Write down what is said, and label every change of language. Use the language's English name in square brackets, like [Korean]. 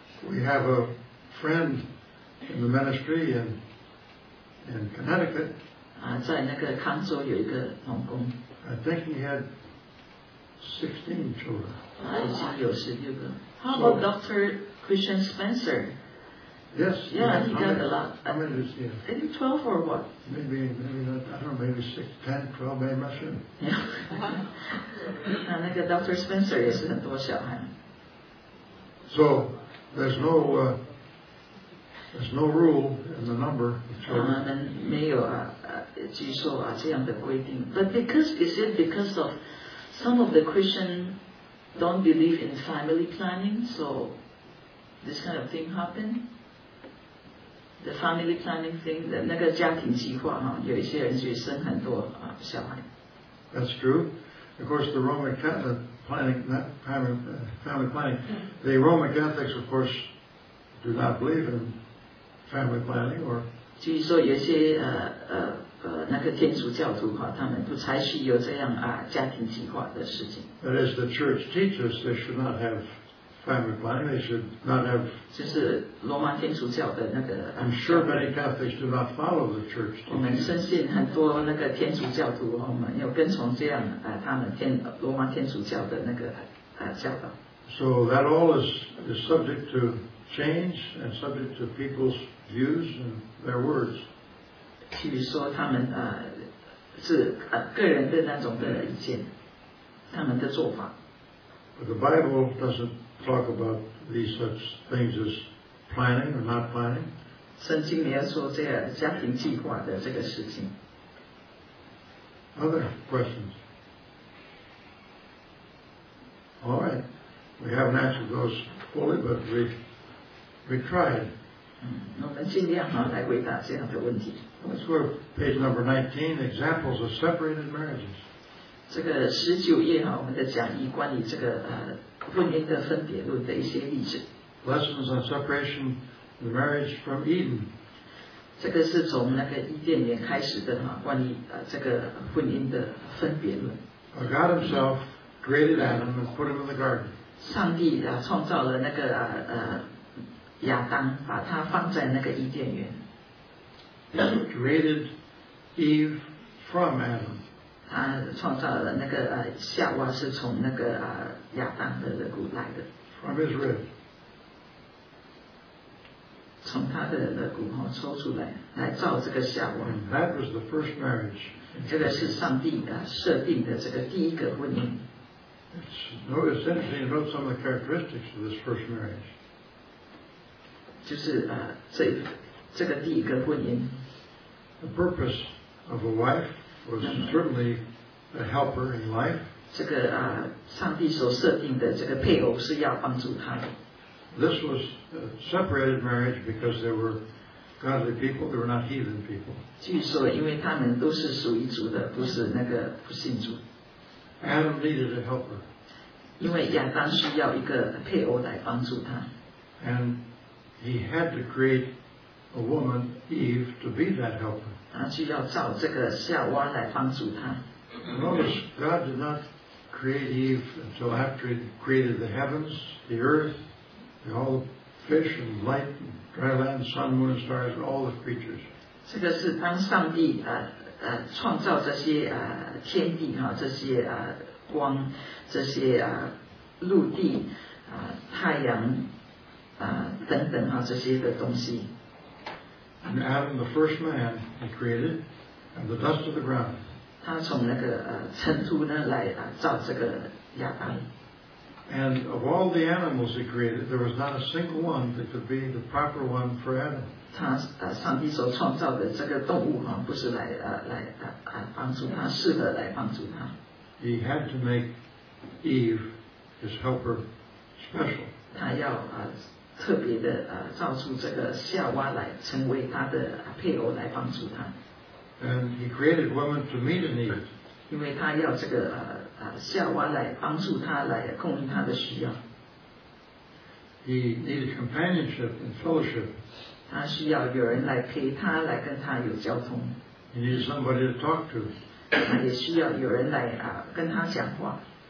[English] We have a friend in the ministry in Connecticut. [Chinese] 在那个康州有一个同工。 [English] I think he had 16 children. [Chinese] 已经有16个。 [English] How about Dr. Christian Spencer? Yes. Yeah, he got a lot. How many did he have? Maybe 12 or what? Maybe not, I don't know, maybe 6, 10, 12, maybe not sure. Yeah. [Chinese] 那个 Dr. Spencer 也是很多小孩。 [English] So, there's no... There's no rule in the number of children. [Chinese] 没有据说这样的规定。 [English] But because, is it because of some of the Christians don't believe in family planning, so this kind of thing happened? The family planning thing, [Chinese] 那个家庭计划，有一些人就生很多小孩。 [English] That's true. Of course, the Roman Catholic planning, family planning, the Roman Catholics, of course, do not believe in family planning, or [Chinese] 就是说有些那个天主教徒，他们不采取有这样家庭计划的事情。 [English] That is, the church teaches they should not have family planning. They should not have. [Chinese] 就是罗马天主教的那个。 [English] I'm sure many Catholics do not follow the church. [Chinese] 我们深信很多那个天主教徒，没有跟从这样他们罗马天主教的那个教导。 [English] So that all is subject to change and subject to people's views and their words. [Chinese] 譬如说他们是个人的那种的意见，他们的做法。 [English] But the Bible doesn't talk about these such things as planning or not planning. [Chinese] 圣经没有说这个家庭计划的这个事情。 [English] Other questions? All right. We haven't answered those fully, but we tried. [Chinese] 我们尽量来回答这样的问题。 [English] Let's go to page number 19, examples of separated marriages. [Chinese] 这个十九页，我们的讲义关于这个婚姻的分别论的一些例子。 [English] Lessons on separation the marriage from Eden. [Chinese] 这个是从那个伊甸园开始的，关于这个婚姻的分别论。 [English] God himself created Adam and put him in the garden. [Chinese] 上帝创造了那个亚当，把他放在那个伊甸园。 [English] He created Eve from Adam. [Chinese] 他创造了那个夏娃是从那个亚当的肋骨来的。 [English] From his rib. [Chinese] 从他的肋骨后抽出来，来造这个夏娃。 [English] And that was the first marriage. [Chinese] 这个是上帝的设定的这个第一个婚姻。 [English] It's interesting about some of the characteristics of this first marriage. [Chinese] 就是这个第一个婚姻。 [English] The purpose of a wife was certainly a helper in life. [Chinese] 这个上帝所设定的这个配偶是要帮助他。 [English] This was a separated marriage because there were godly people, there were not heathen people. [Chinese] 据说因为他们都是属于主的，不是那个不信主。 [English] Adam needed a helper. [Chinese] 因为亚当需要一个配偶来帮助他。 [English] And he had to create a woman, Eve, to be that helper. [Chinese] 他需要找这个夏娃来帮助他。 [English] Notice God did not create Eve until after he created the heavens, the earth, all fish and light, and dry land, sun, moon, and stars, and all the creatures. [Chinese] 这个是当上帝创造这些天地哈，这些光，这些陆地太阳等等哈，这些的东西。 [English] And Adam, the first man, he created, and the dust of the ground. [Chinese] 他从那个尘土呢来造这个亚当。 [English] And of all the animals he created, there was not a single one that could be the proper one for Adam. [Chinese] 他上帝所创造的这个动物哈，不是帮助他，适合来帮助他。 [English] He had to make Eve his helper special. [Chinese] 他要特别的造出这个夏娃来成为他的配偶来帮助他。 [English] And he created woman to meet a need. [Chinese] 因为他要这个夏娃来帮助他，来供应他的需要。 [English] He needed companionship and fellowship. [Chinese] 他需要有人来陪他，来跟他有交通。 [English] He needed somebody to talk to. [Chinese] 他也需要有人来跟他讲话。